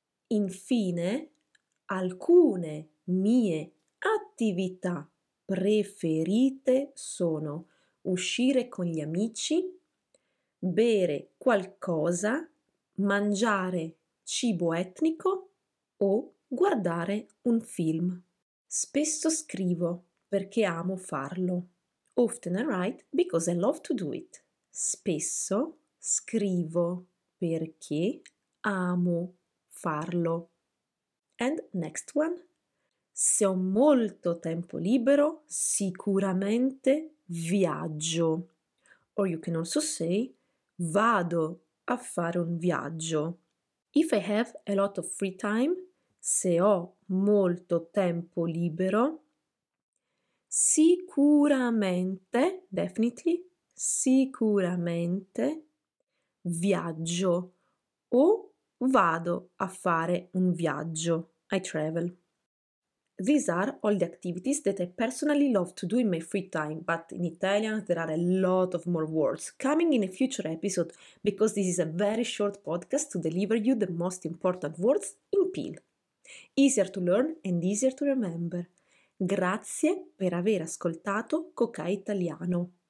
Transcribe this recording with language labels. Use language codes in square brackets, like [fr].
[it] Infine, alcune mie attività preferite sono uscire con gli amici, bere qualcosa, mangiare cibo etnico o guardare un film. Spesso scrivo perché amo farlo. [en] Often I write because I love to do it. [it] Spesso scrivo perché amo farlo. [en] And next one. [it] Se ho molto tempo libero, sicuramente viaggio. Or you can also say, vado a fare un viaggio. [en] If I have a lot of free time, [it] se ho molto tempo libero, sicuramente, definitely, sicuramente, viaggio [en] o vado a fare un viaggio. I travel. These are all the activities that I personally love to do in my free time, but in Italian there are a lot of more words coming in a future episode because this is a very short podcast to deliver you the most important words in PIL. Easier to learn and easier to remember. [it] Grazie per aver ascoltato Cocai Italiano.